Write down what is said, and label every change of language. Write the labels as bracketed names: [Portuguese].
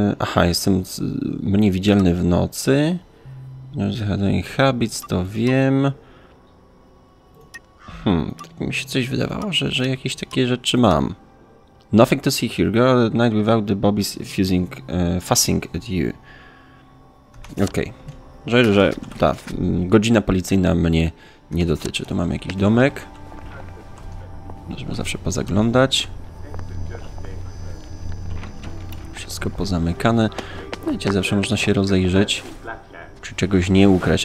[Polish] Aha, jestem mniej widzialny w nocy. Habits, to wiem. Tak mi się coś wydawało, że jakieś takie rzeczy mam. [English] Nothing to see here. Go at night without the bobbies fussing at you. [Polish] Okej. Okay. Że ta godzina policyjna mnie nie dotyczy. Tu mam jakiś domek. Możemy zawsze pozaglądać. Wszystko pozamykane. Wiecie, zawsze można się rozejrzeć, czy czegoś nie ukraść.